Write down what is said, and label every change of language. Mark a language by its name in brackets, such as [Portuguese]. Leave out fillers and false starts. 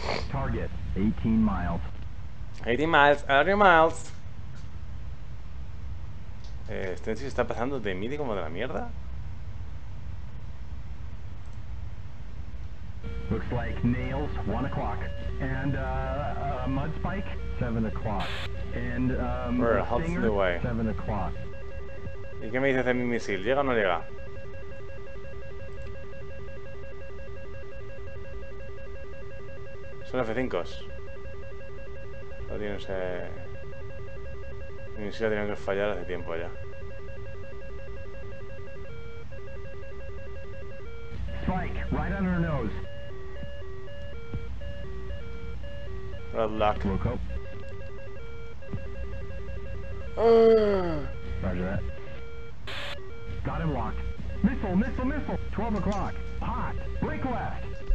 [English] Target 18 miles. 80 miles, 80 miles. [Spanish] Stensi se está pasando de mí como de la mierda. [English] Looks like Nails, 1 o'clock. And Mudspike, 7 o'clock. And Singer, 7 o'clock. [Spanish] ¿Y qué me dices de mi misil? ¿Llega o no llega? Son F5s. No tienen ese... Mi misil ha tenido que fallar hace tiempo ya. [English] Spike, right under her nose. Bad luck. Look up. Roger that. Got him locked. Missile, missile, missile. 12 o'clock. Hot. Break left.